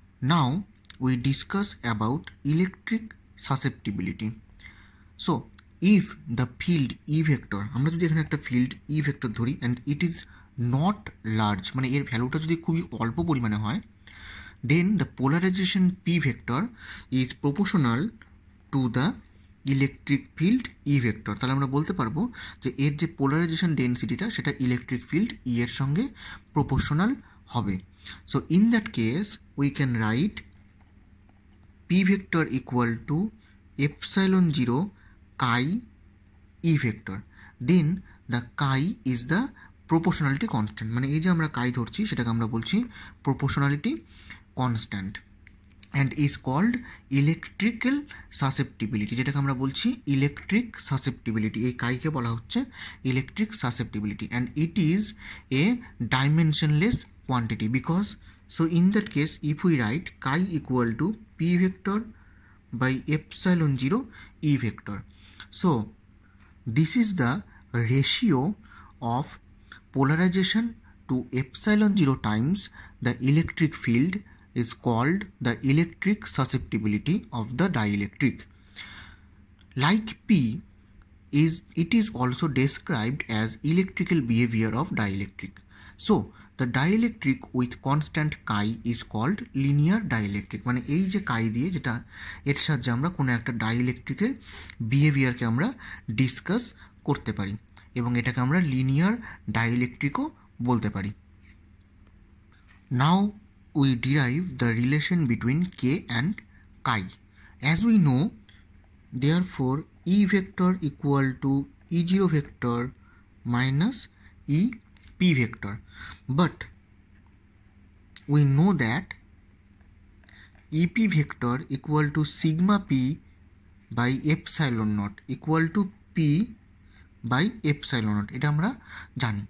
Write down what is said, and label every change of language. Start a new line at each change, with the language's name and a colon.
English: now we discuss about electric susceptibility, so if the field E vector,
Bangla: আমরা যদি এখানে একটা ফিল্ড ই ভেক্টর ধরি
English: and it is not large,
Bangla: মানে এর ভ্যালুটা যদি খুবই অল্প পরিমাণে হয়,
English: then the polarization P vector is proportional to the electric field E vector,
Bangla: তাহলে আমরা বলতে পারবো যে এর যে পোলারাইজেশন ডেন্সিটিটা সেটা ইলেকট্রিক ফিল্ড ই এর সঙ্গে প্রপোর্শনাল হবে।
English: So in that case we can write P vector equal to epsilon 0 chi e vector, then the chi is the proportionality constant.
Bangla: মানে এই যে আমরা chi ধরছি সেটাকে আমরা বলছি proportionality constant,
English: and is called electrical susceptibility,
Bangla: যেটাকে আমরা বলছি electric susceptibility. এই chi কে বলা হচ্ছে
English: electric susceptibility, and it is a dimensionless quantity, because so in that case if we write chi equal to p vector by epsilon 0 e vector, so this is the ratio of polarization to epsilon 0 times the electric field is called the electric susceptibility of the dielectric. Like p is, it is also described as electrical behavior of dielectric. So the dielectric with constant chi is called linear dielectric.
Bangla: মানে এই যে chi দিয়ে যেটা এর সাহায্যে আমরা কোনো একটা ডাইইলেকট্রিকের বিহেভিয়ারকে আমরা ডিসকাস করতে পারি এবং এটাকে আমরা লিনিয়ার ডাইইলেকট্রিকও বলতে পারি.
English: Now we derive the relation between K and chi. As we know therefore E vector equal to E zero vector minus E p vector, but we know that ep vector equal to sigma p by epsilon naught equal to p by epsilon naught,
Bangla: eta amra jani.